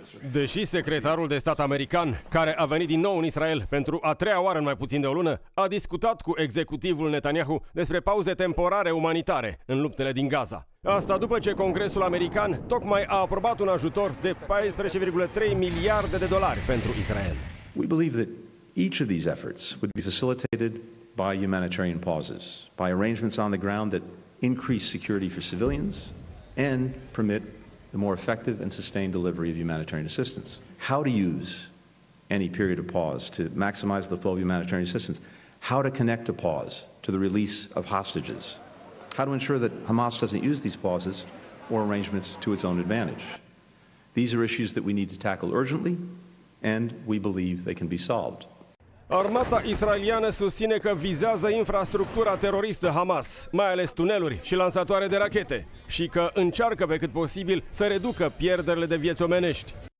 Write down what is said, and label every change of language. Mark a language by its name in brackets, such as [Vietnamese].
[Romanian] Deși secretarul de stat american, care a venit din nou în Israel pentru a treia oară în mai puțin de o lună, a discutat cu executivul Netanyahu despre pauze temporare umanitare în luptele din Gaza. Asta după ce Congresul american tocmai a aprobat un ajutor de 14,3 miliarde de dolari pentru Israel. [English] We believe that each of these efforts would be facilitated by humanitarian pauses, by arrangements on the ground that increase security for civilians and permit the more effective and sustained delivery of humanitarian assistance. How to use any period of pause to maximize the flow of humanitarian assistance? How to connect a pause to the release of hostages? How to ensure that Hamas doesn't use these pauses or arrangements to its own advantage? These are issues that we need to tackle urgently, and we believe they can be solved. [Romanian] Armata israeliană susține că vizează infrastructura teroristă Hamas, mai ales tuneluri și lansatoare de rachete, și că încearcă pe cât posibil să reducă pierderile de vieți omenești.